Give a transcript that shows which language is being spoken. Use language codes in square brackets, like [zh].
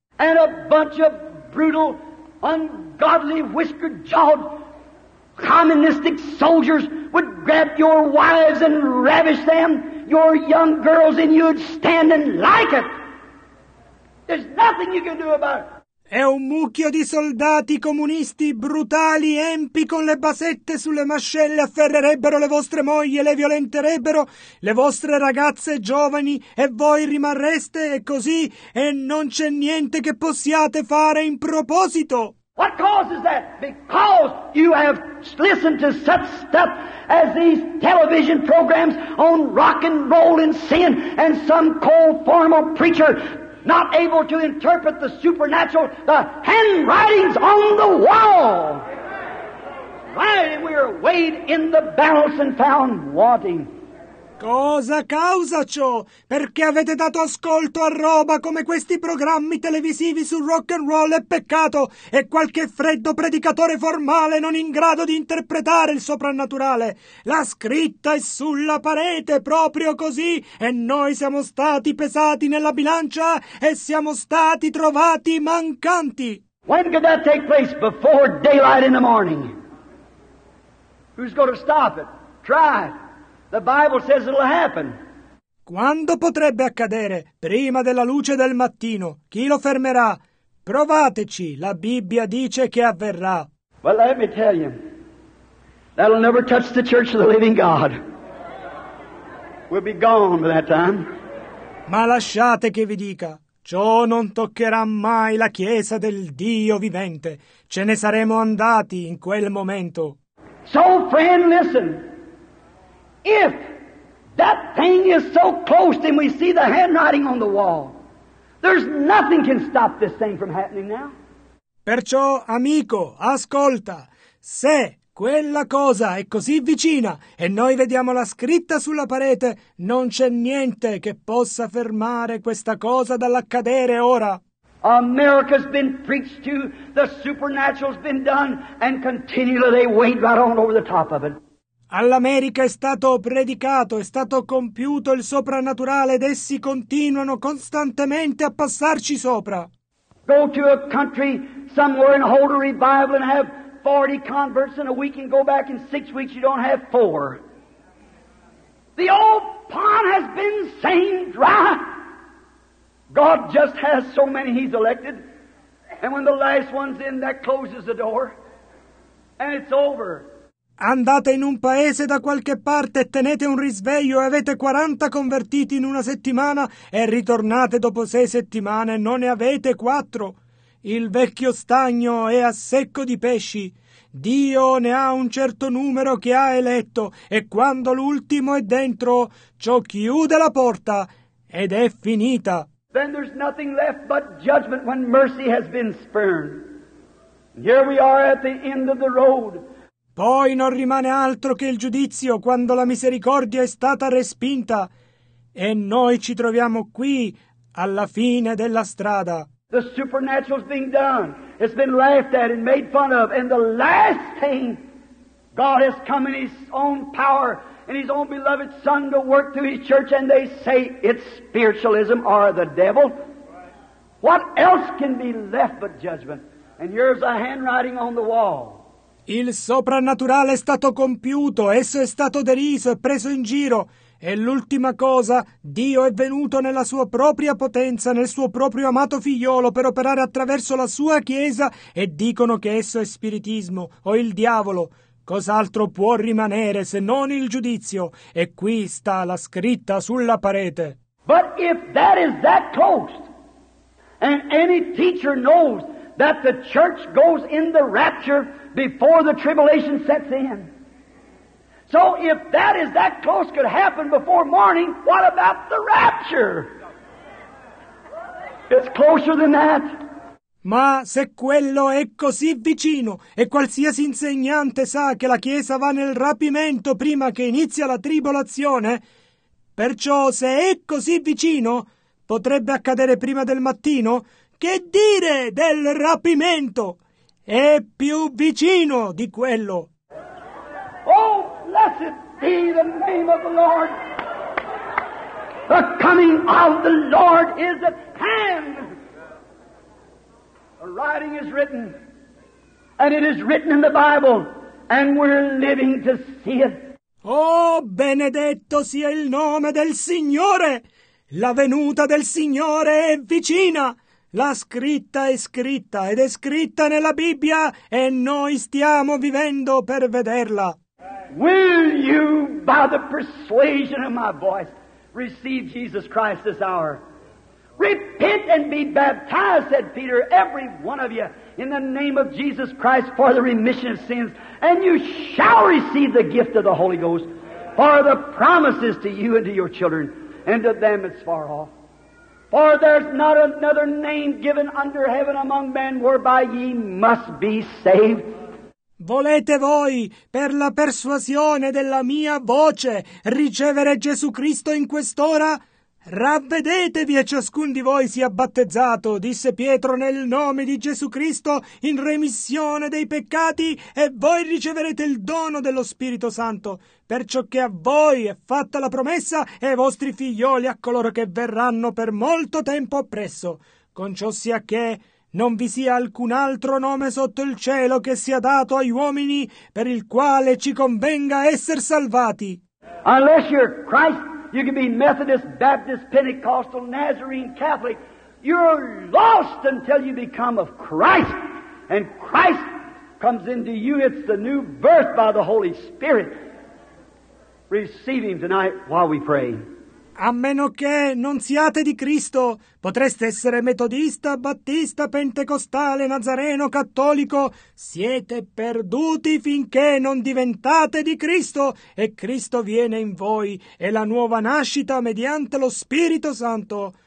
[en] And a bunch of brutal, ungodly, whiskered-jawed communistic soldiers would grab your wives and ravish them, your young girls, and you'd stand and like it. There's nothing you can do about it. [it] È un mucchio di soldati comunisti brutali, empi, con le basette sulle mascelle, afferrerebbero le vostre mogli, le violenterebbero, le vostre ragazze giovani, e voi rimarreste così, e non c'è niente che possiate fare in proposito. [en] What causes that? Because you have listened to such stuff as these television programs on rock and roll and sin, and some cold formal preacher not able to interpret the supernatural, the handwriting's on the wall. Right, we are weighed in the balance and found wanting. [it] Cosa causa ciò? Perché avete dato ascolto a roba come questi programmi televisivi su rock and roll e peccato, e qualche freddo predicatore formale non in grado di interpretare il soprannaturale. La scritta è sulla parete, proprio così, e noi siamo stati pesati nella bilancia e siamo stati trovati mancanti. [en] When could that take place? Before daylight in the morning. Who's going to stop it? Try it. The Bible says it'll happen. [it] Quando potrebbe accadere? Prima della luce del mattino. Chi lo fermerà? Provateci. La Bibbia dice che avverrà. [en] Well, let me tell you, that'll never touch the church of the living God. We'll be gone by that time. [it] Ma lasciate che vi dica, ciò non toccherà mai la Chiesa del Dio vivente. Ce ne saremo andati in quel momento. [en] So, friend, listen. If that thing is so close and we see the handwriting on the wall, there's nothing can stop this thing from happening now. [it] Perciò, amico, ascolta. Se quella cosa è così vicina e noi vediamo la scritta sulla parete, non c'è niente che possa fermare questa cosa dall'accadere ora. [en] America's been preached to, the supernatural's been done, and continually they wait right on over the top of it. [it] All'America è stato predicato, è stato compiuto il soprannaturale ed essi continuano costantemente a passarci sopra. [en] Go to a country somewhere and hold a revival and have 40 converts in a week and go back in 6 weeks you don't have four. The old pond has been seen dry. God just has so many he's elected. And when the last one's in, that closes the door. And it's over. [it] Andate in un paese da qualche parte e tenete un risveglio e avete 40 convertiti in una settimana e ritornate dopo 6 settimane e non ne avete 4. Il vecchio stagno è a secco di pesci. Dio ne ha un certo numero che ha eletto e quando l'ultimo è dentro, ciò chiude la porta ed è finita. [en] then there's nothing left but judgment when mercy has been spurned. Here we are at the end of the road. [it] Poi non rimane altro che il giudizio quando la misericordia è stata respinta, e noi ci troviamo qui alla fine della strada. [en] The supernatural is being done. It's been laughed at and made fun of. And the last thing, God has come in His own power and His own beloved Son to work through His church, and they say it's spiritualism or the devil. What else can be left but judgment? And here's a handwriting on the wall. [it] Il soprannaturale è stato compiuto, esso è stato deriso e preso in giro. E l'ultima cosa, Dio è venuto nella sua propria potenza, nel suo proprio amato figliolo, per operare attraverso la sua chiesa, e dicono che esso è spiritismo o il diavolo. Cos'altro può rimanere se non il giudizio? E qui sta la scritta sulla parete. [en] But if that is that close, and any teacher knows that the church goes in the rapture before the tribulation sets in, so if that is that close could happen before morning, what about the rapture? It's closer than that. [it] Ma se quello è così vicino, e qualsiasi insegnante sa che la Chiesa va nel rapimento prima che inizia la tribolazione, perciò se è così vicino, potrebbe accadere prima del mattino, che dire del rapimento? È più vicino di quello. [en] Oh! Blessed be the name of the Lord. The coming of the Lord is at hand. The writing is written, and it is written in the Bible, and we're living to see it. [it] Oh, benedetto sia il nome del Signore! La venuta del Signore è vicina! La scritta è scritta, ed è scritta nella Bibbia, e noi stiamo vivendo per vederla. [en] Will you, by the persuasion of my voice, receive Jesus Christ this hour? Repent and be baptized, said Peter, every one of you, in the name of Jesus Christ for the remission of sins, and you shall receive the gift of the Holy Ghost, for the promises to you and to your children, and to them that's far off. For there's not another name given under heaven among men whereby ye must be saved. [it] Volete voi, per la persuasione della mia voce, ricevere Gesù Cristo in quest'ora? Ravvedetevi e ciascun di voi sia battezzato, disse Pietro, nel nome di Gesù Cristo, in remissione dei peccati, e voi riceverete il dono dello Spirito Santo, perciò che a voi è fatta la promessa e ai vostri figlioli, a coloro che verranno per molto tempo appresso. Con ciò sia che non vi sia alcun altro nome sotto il cielo che sia dato agli uomini per il quale ci convenga essere salvati. [en] Unless you're Christ, you can be Methodist, Baptist, Pentecostal, Nazarene, Catholic. You're lost until you become of Christ. And Christ comes into you. It's the new birth by the Holy Spirit. Receive Him tonight while we pray. [it] A meno che non siate di Cristo, potreste essere metodista, battista, pentecostale, nazareno, cattolico, siete perduti finché non diventate di Cristo, e Cristo viene in voi, e la nuova nascita mediante lo Spirito Santo.